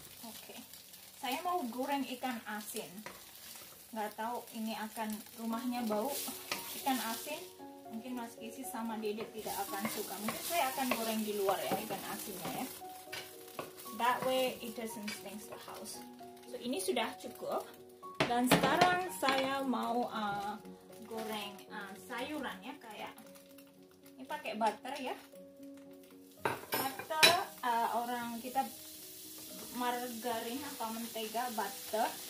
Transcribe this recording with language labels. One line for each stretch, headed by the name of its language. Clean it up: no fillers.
Indonesian: Okay, saya mau goreng ikan asin. nggak tahu ini akan rumahnya bau ikan asin. Mungkin Mas Kisi sama Dedek tidak akan suka. Mungkin saya akan goreng di luar ya ikan asinnya ya.
English: That way it doesn't stink the house.
Indonesian: So ini sudah cukup. Dan sekarang saya mau goreng sayurannya kayak ini pakai butter ya. Butter orang kita margarin atau mentega butter.